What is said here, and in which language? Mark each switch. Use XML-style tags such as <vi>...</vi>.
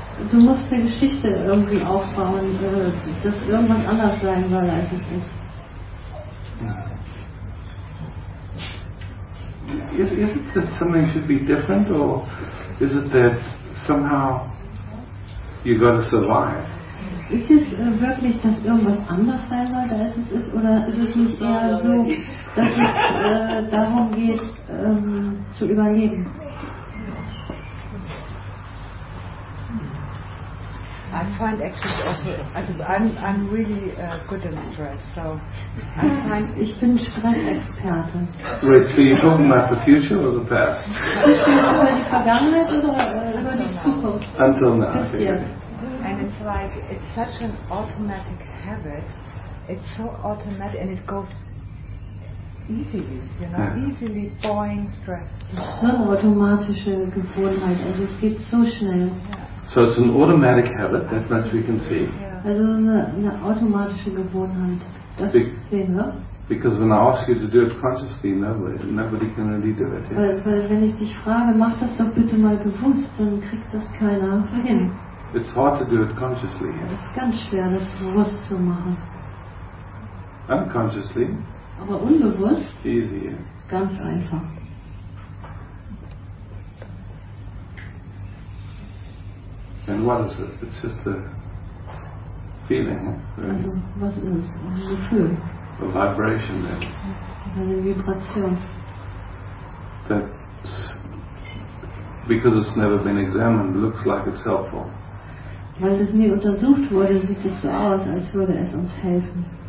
<de>Du musst eine Geschichte irgendwie aufbauen, dass irgendwas anders sein soll, als es ist.</de> <en>Is it that something should be different, or is it that somehow you've got to survive?</en> <de>Ist es wirklich, dass irgendwas anders sein soll, als es ist, oder ist es nicht eher so, dass es darum geht, zu überleben?</de> <en>I find actually also, I'm really good in stress, so I find</en> <de>ich bin Stressexperte.</de> <en>Wait, so you're talking about the future or the past?</en> <de>Ich bin über die Vergangenheit oder über die Zukunft.</de> <en>Until now.</en> <de>Bis jetzt.</de> <en>And it's like, it's such an automatic habit. It's so automatic and it goes easily, you know, easily buying stress.</en> <de>So automatische Gewohnheit, also es geht so schnell.</de> <en>So it's an automatic habit, that much we can see.</en> <de>Also eine automatische Gewohnheit, das sehen wir.</de> <en>Because when I ask you to do it consciously, nobody can really do it. Yeah.</en> <de>Weil wenn ich dich frage, mach das doch bitte mal bewusst, dann kriegt das keiner hin.</de> <en>It's hard to do it consciously.</en> <de>Es ist ganz schwer, das bewusst zu machen.</de> <en>Unconsciously.</en> <de>Aber unbewusst.</de> <en>Easy.</en> <de>Ganz einfach.</de> <en>And what is it? It's just a feeling. Also, what is it? It's a feeling. A vibration then.</en> <de>Eine Vibration.</de> <en>That, because it's never been examined, looks like it's helpful.</en> <de>Weil es nie untersucht wurde, sieht es so aus, als würde es uns helfen.</de>